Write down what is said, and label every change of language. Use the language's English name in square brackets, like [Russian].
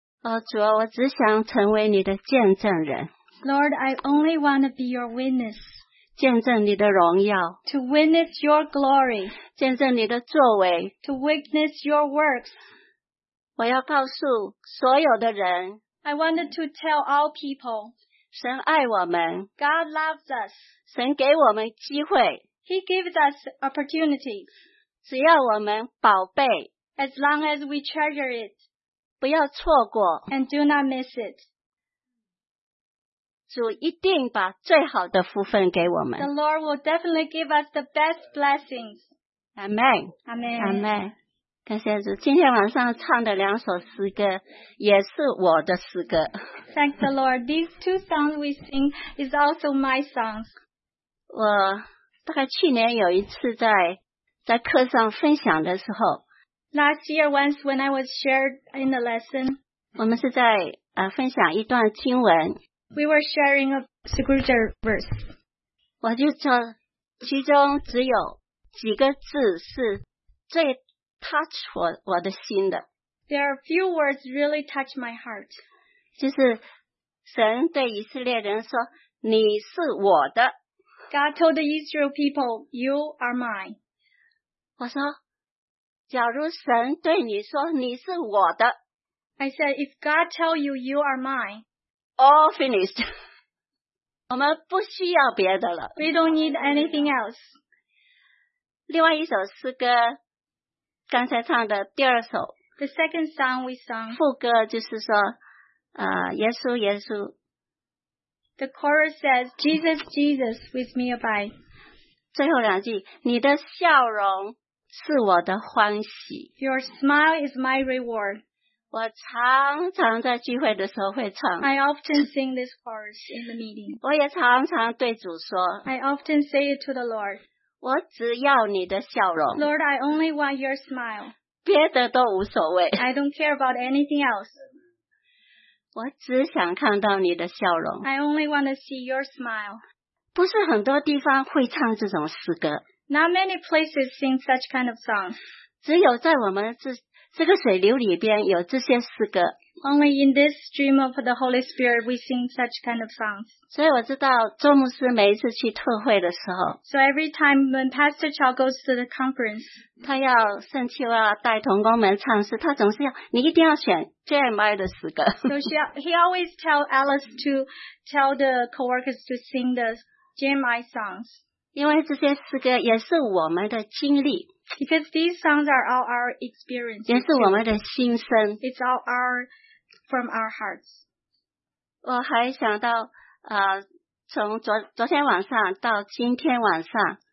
[Chinese] 哦，主啊，我只想成为你的见证人。 [English] Lord, I only want to be your witness。 [Chinese] 见证你的荣耀。 [English] To witness your glory。 [Chinese] 见证你的作为。 [English] To witness your works。 [Chinese] 我要告诉所有的人。 [English] I wanted to tell all people。 [Chinese] 神爱我们。 [English] God loves us。 [Chinese] 神给我们机会。 [English] He gives us opportunity。 [Chinese] 只要我们宝贝。 [English] As long as we treasure it。 [Chinese] 不要错过。 [English] And do not miss it。 [Chinese] 主一定把最好的福分给我们。 [English] The Lord will definitely give us the best blessings。 Amen。 Amen。 Amen。 [Chinese] 感谢主，今天晚上唱的两首诗歌也是我的诗歌。 [English] Thank the Lord. These two songs we sing is also my songs. [Chinese] 我大概去年有一次在课上分享的时候。 [English] Last year once when I was shared in the lesson. [Chinese] 我们是在分享一段经文。 [English] We were sharing a scripture verse. [Chinese] 我就说其中只有几个字是最 touch 我的心的。 [English] There are a few words really touch my heart. [Chinese] 就是神对以色列人说你是我的。 [English] God told the Israel people, you are mine. [Chinese] 我说假如神对你说你是我的。 [English] I said, if God tell you, you are mine. All finished. [Chinese] 我们不需要别的了。 [English] We don't need anything else. [Chinese] 另外一首诗歌刚才唱的第二首。 [English] The second song we sung. [Chinese] 副歌就是说耶稣耶稣。 [English] The chorus says, Jesus, Jesus, with me abide. [Chinese] 最后两句，你的笑容是我的欢喜。 [English] Your smile is my reward. [Chinese] 我常常在聚会的时候会唱。 [English] I often sing this chorus in the meeting. [Chinese] 我也常常对主说。 [English] I often say it to the Lord. [Chinese] 我只要你的笑容。 [English] Lord, I only want your smile. [Chinese] 别的都无所谓。 [English] I don't care about anything else. [Chinese] 我只想看到你的笑容。 [English] I only want to see your smile. [Chinese] 不是很多地方会唱这种诗歌。 [English] Not many places sing such kind of songs. [Chinese] 只有在我们这个水流里边有这些诗歌。 [English] Only in this stream of the Holy Spirit we sing such kind of songs. [Chinese] 所以我知道周牧师每一次去特会的时候。 [English] So every time when Pastor Chow goes to the conference. [Chinese] 他要圣秋啊带同工们唱诗他总是要你一定要选 JMI 的诗歌。 [English] So he always tell Alice to tell the co-workers to sing the JMI songs. [Chinese] 因为这些诗歌也是我们的经历。 [English] Because these songs are all our experience. [Chinese] 也是我们的心声。 [English] It's all our, from our hearts. [Chinese] 我还想到从昨天晚上到今天晚上。